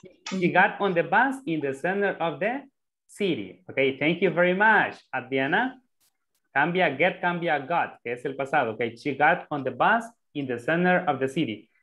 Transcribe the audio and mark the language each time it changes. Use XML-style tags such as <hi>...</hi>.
<en>She got on the bus in the center of the city. Okay, thank you very much, Adriana.</en> <es>Cambia, get, cambia, got, que es el pasado.</es> <en>Okay, she got on the bus in the center of the city.</en>